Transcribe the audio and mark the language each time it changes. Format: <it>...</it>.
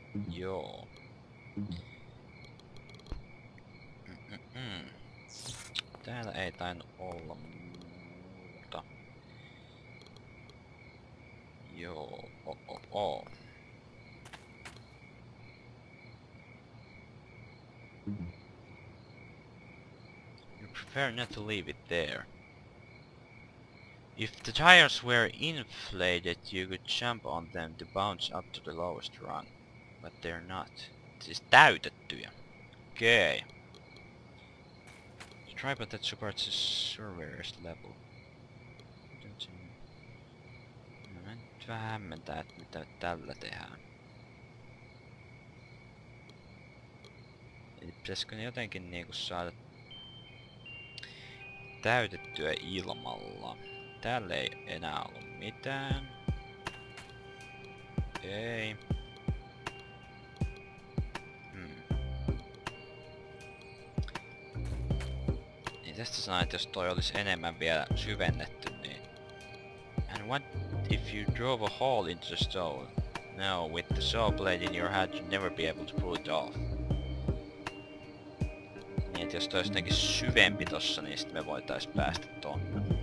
<fi>Joo. Täällä ei tainnut olla muuta.</fi> <en>Joo, You prefer not to leave it there. If the tires were inflated, you could jump on them to bounce up to the lowest rung. But they're not.</en> <fi>Siis täytettyjä. Okei.</fi> <en>Okay. Tripod that supports the surveyor's level.</en> <fi>Mä en nyt vähän hämmentää, että mitä tällä tehdään. Eli pitäisikö ne jotenkin niinku saada täytettyä ilmalla. Täällä ei enää ollut mitään. Ei. Tästä sanoin, että jos toi olisi enemmän vielä syvennetty, niin...</fi> <en>And what if you drove a hole into the stone? No, with the saw blade in your hand, you'd never be able to pull it off.</en> <fi>Niin, että jos toi olisi jotenkin syvempi tossa, niin sitten me voitais päästä tonne.</fi>